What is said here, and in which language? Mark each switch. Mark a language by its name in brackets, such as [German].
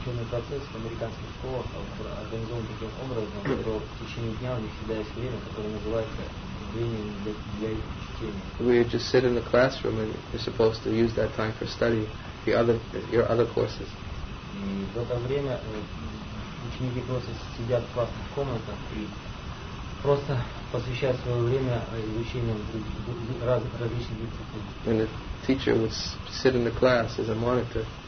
[Russian] Процесс в американских школах организован таким образом, что в течение дня у них всегда есть время, которое называется время для чтения. [English] We just sit in the classroom and you're supposed to use that time for study the other your other courses. [Russian] В это время ученики просто сидят в классных комнатах и просто посвящают свое время изучению различных дисциплин. [English] And the teacher would sit in the class as a monitor.